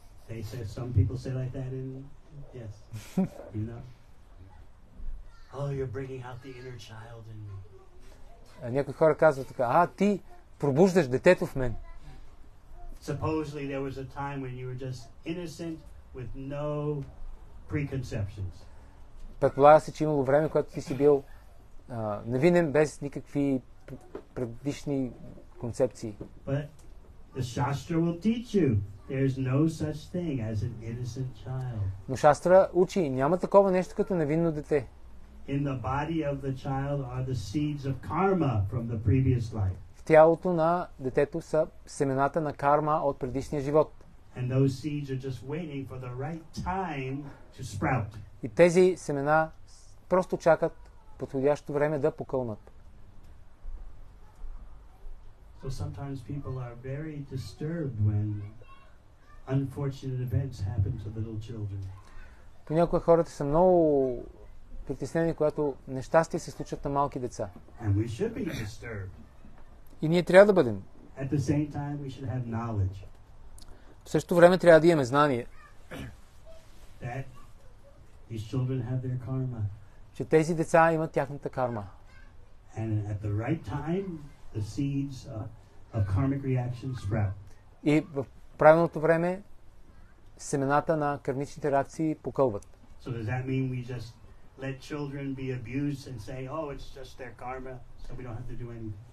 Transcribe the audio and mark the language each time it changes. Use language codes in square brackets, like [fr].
[en] They say, some people say like that in, yes, you know. Oh, you're bringing out the inner child in me. [bg] Някои хора казват така, ти пробуждаш детето в мен. [en] Supposedly there was a time when you were just innocent with no preconceptions. [bg] Предполага се, че имало време, когато ти си бил невинен без никакви предишни концепции. [en] But the Shastra will teach you there's no such thing as an innocent child. [bg] Но Шастра учи, няма такова нещо като невинно дете. [en] In the body of the child are the seeds of karma from the previous life. [bg] Тялото на детето са семената на карма от предишния живот. [en] And those seeds are just waiting for the right time to sprout. [bg] И тези семена просто чакат подходящото време да покълнат. [en] So sometimes people are very disturbed when unfortunate events happen to little children. [bg] Понякога хората са много притеснени, когато нещастия се случат на малки деца. [en] And we should be disturbed. [bg] И ние трябва да бъдем. [en] At the same time, we should have knowledge. [bg] В същото време трябва да имаме знание. [en] That these children have their karma. [bg] Че тези деца имат тяхната карма. [en] And at the right time, the seeds of karmic reaction sprout. [bg] И в правилното време семената на кармичните реакции покълват. [en] So does that mean we just let children be abused and say, oh, it's just their karma, so we don't have to do anything?